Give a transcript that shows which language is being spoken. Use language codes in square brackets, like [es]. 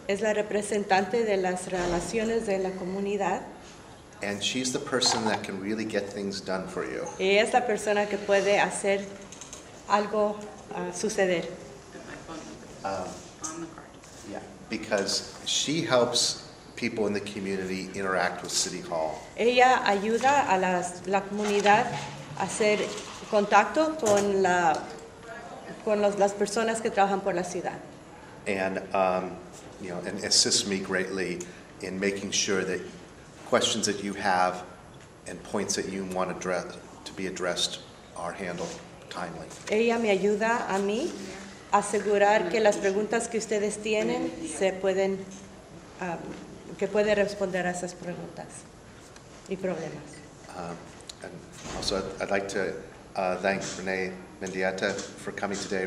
[es] Es la representante de las relaciones de la comunidad. [en] And she's the person that can really get things done for you. [es] Y es la persona que puede hacer algo suceder. [en] Because she helps people in the community interact with City Hall. [es] Ella ayuda a la comunidad a hacer contacto con las personas que trabajan por la ciudad. [en] And and assists me greatly in making sure that questions that you have and points that you want to be addressed are handled timely. [es] Ella me ayuda a mí a asegurar que las preguntas que ustedes tienen se pueden que puede responder a esas preguntas y problemas. [en] And also, I'd like to thank Renee Mendieta for coming today.